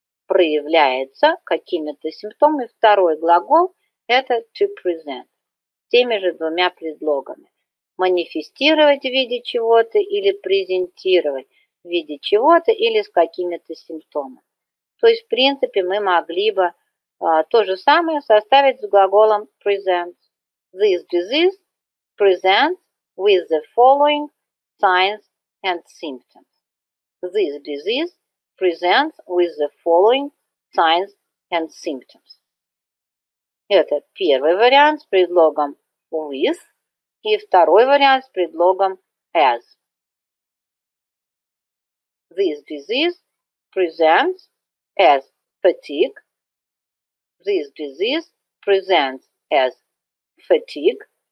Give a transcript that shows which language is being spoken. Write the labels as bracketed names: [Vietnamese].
[Russian] Проявляется какими-то симптомами. Второй глагол – это to present, теми же двумя предлогами. Манифестировать в виде чего-то или презентировать в виде чего-то или с какими-то симптомами. То есть, в принципе, мы могли бы то же самое составить с глаголом present. [English] This disease presents with the following signs and symptoms. This disease presents with the following signs and symptoms. [Russian] Это первый вариант с предлогом with. И второй вариант с предлогом as. [English] This disease presents as fatigue. This disease presents as fatigue.